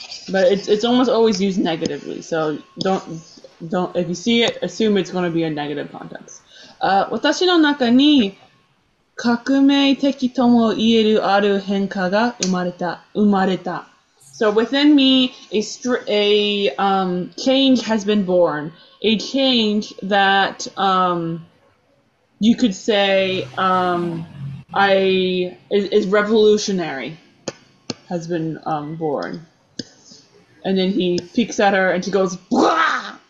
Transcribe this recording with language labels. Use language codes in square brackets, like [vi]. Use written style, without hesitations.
[en] But it's almost always used negatively, so don't if you see it, assume it's going to be a negative context. [ja] 私の中に革命的とも言えるある変化が生まれた。 [en] So within me, a change has been born. A change that you could say is revolutionary. Has been born. And then he peeks at her and she goes, "Bwah!"